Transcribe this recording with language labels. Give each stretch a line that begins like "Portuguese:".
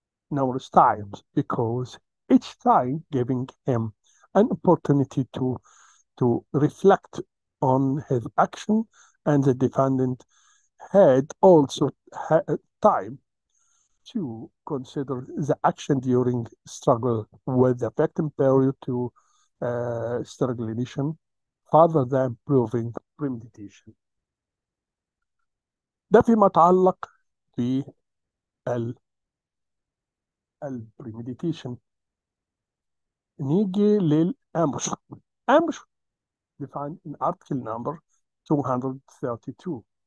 English: numerous times, because each time giving him an opportunity to reflect on his action, and the defendant had also had time to consider the action during struggle with the victim prior to strangulation, rather than proving premeditation.
Arabic: ده فيما يتعلق بالبريميديتيشن. نيجي للامبوش.
English: Ambush defined in article number 232.